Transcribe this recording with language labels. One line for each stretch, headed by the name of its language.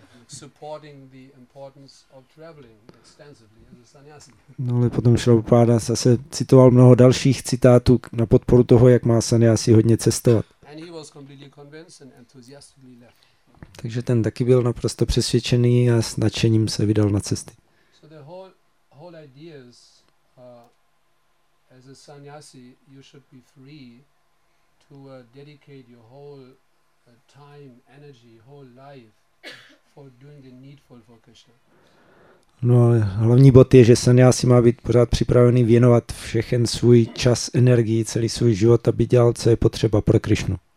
English: Supporting the importance of traveling extensively as a sannyasi.
Czech: No ale potom Srila Prabhupada zase citoval mnoho dalších citátů na podporu toho, jak má sannyasi hodně cestovat.
English: And he was completely convinced and enthusiastically left.
Czech: Takže ten taky byl naprosto přesvědčený a s nadšením se vydal na cesty.
English: So the whole idea is, as a sannyasi, you should be free to dedicate your whole time, energy, whole life for doing the needful for Krishna.
Czech: No, hlavní bod je, že sannyasi má být pořád připravený věnovat všechen svůj čas, energii, celý svůj život, aby dělal, co je potřeba pro Krišnu.